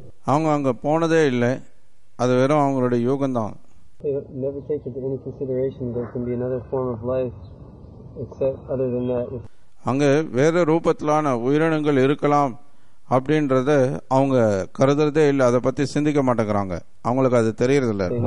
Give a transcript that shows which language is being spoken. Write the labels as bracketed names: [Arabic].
[Tamil] அவங்க அங்கே போனதே இல்லை, அது வெறும் அவங்களுடைய யூகம்தான். [English] They never take into any consideration there can be another form of life except other than that. [Tamil] அங்கே வேற ரூபத்திலான உயிரினங்கள் இருக்கலாம் அப்படின்றத அவங்க கருதுறதே இல்ல, அதை பத்தி சிந்திக்க மாட்டேங்கிறாங்க. அவங்களுக்கு அது தெரியறதில்ல.